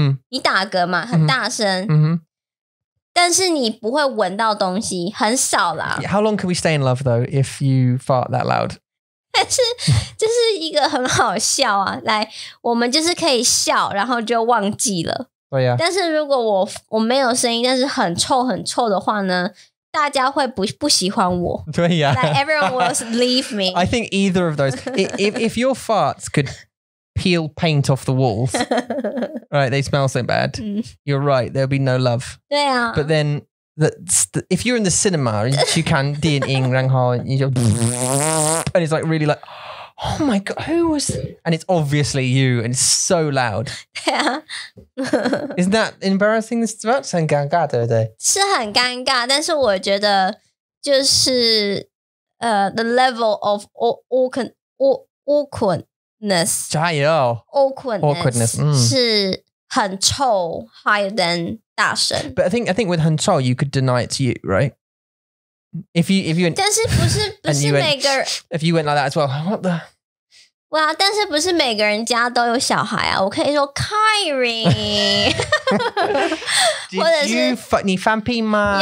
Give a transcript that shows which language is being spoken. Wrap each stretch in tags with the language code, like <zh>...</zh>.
<zh>你打嗝嘛, 很大声, 但是你不会闻到东西, 很少啦。</zh> <en>How long can we stay in love, though, if you fart that loud?</en> <zh>但是这是一个很好笑啊, 来, 我们就是可以笑, 然后就忘记了。</zh> <en>Oh, yeah.</en> <zh>但是如果我没有声音,但是很臭很臭的话呢, 大家会不喜欢我。对, yeah.</zh> <en>Like everyone will leave me. I think either of those. if your farts could peel paint off the walls, right, they smell so bad. You're right, there'll be no love.</en> <zh>对啊。</zh> <en>But then, if you're in the cinema, you can</en> <zh>电影, 然后,</zh> <en>you just, and it's like really like, oh my God, who was... And it's obviously you, and it's so loud. Yeah. Isn't that embarrassing? It's about</en> <zh>很尴尬,对不对? 是很尴尬,但是我觉得就是...</zh> <en>the level of awkwardness.</en> <zh>加油!</zh> <en>Awkwardness.</en> <zh>是很臭,</zh> <en>higher than 大声. But I think with 很臭, you could deny it to you, right? If you...</en> <zh>但是不是每个...</zh> <en>If you went like that as well, what the...</en> <zh>哇,但是不是每个人家都有小孩啊,我可以说 Kyrie,或者是你放屁吗?</zh>